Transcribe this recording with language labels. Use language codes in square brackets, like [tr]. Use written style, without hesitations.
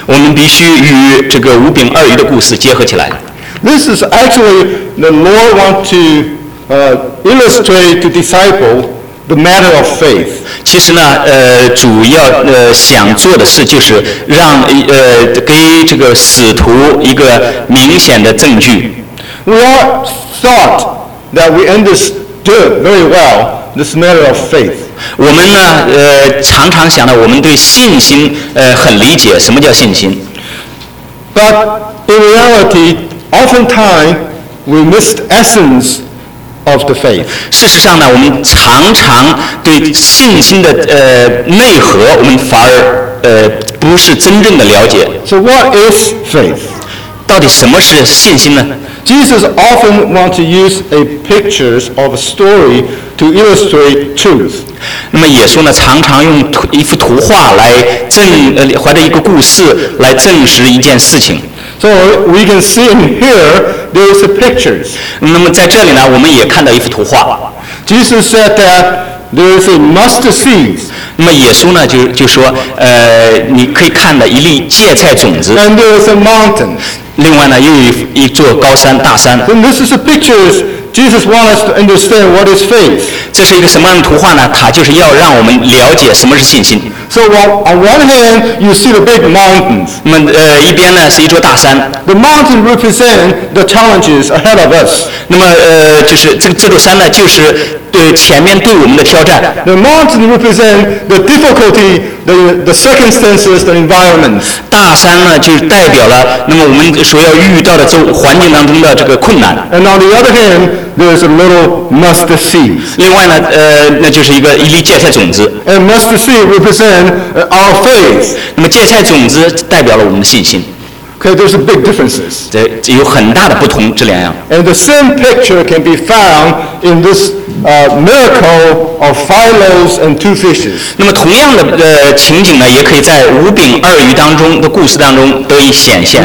[zh] 我们必须与这个五饼二鱼的故事结合起来。 [en] This is actually the Lord want to illustrate to disciple the matter of faith. [zh] 其实呢，主要想做的事就是让给这个使徒一个明显的证据。 [en] We all thought that we understood very well this matter of faith. [zh] 我们呢，常常想到我们对信心，很理解什么叫信心。 [en] But in reality, oftentimes we miss the essence of the faith. [zh] 事实上呢，我们常常对信心的内核，我们反而不是真正的了解。 [en] So what is faith? [zh] 到底什么是信心呢？ [en] Jesus often wants to use a picture of a story to illustrate truth. [zh] 那么耶稣呢，常常用一幅图画来怀着一个故事来证实一件事情。 [en] So we can see in here there is a picture. [zh] 那么在这里呢，我们也看到一幅图画。 [en] Jesus said that there is a mustard seed. [zh] 那么耶稣呢，就说，你可以看到一粒芥菜种子。 [en] And there is a mountain. [zh] 另外呢，又有一座高山，大山。 [en] Then this is a picture. Jesus wants us to understand what is faith. [zh] 这是一个什么样的图画呢？它就是要让我们了解什么是信心。 [en] So on one hand, you see the big mountains. [zh] 那么一边呢是一座大山。 [en] The mountain represents the challenges ahead of us. [zh] 那么就是这座山呢，就是对前面对我们的挑战。 [en] The mountain represents the difficulty, the circumstances, the environment. [zh] 大山呢就代表了那么我们所要遇到的这环境当中的这个困难。 [en] And on the other hand, there's a little mustard seed. [zh] 另外呢那就是一粒芥菜种子。 [en] And mustard seed represents our faith. [zh] 那么芥菜种子代表了我们的信心。 [en] Okay, there's a big difference. [zh] 这有很大的不同，这两样。 [en] And the same picture can be found in this miracle of five loaves and two fishes. [zh] 那么同样的情景呢，也可以在五饼二鱼当中的故事当中得以显现。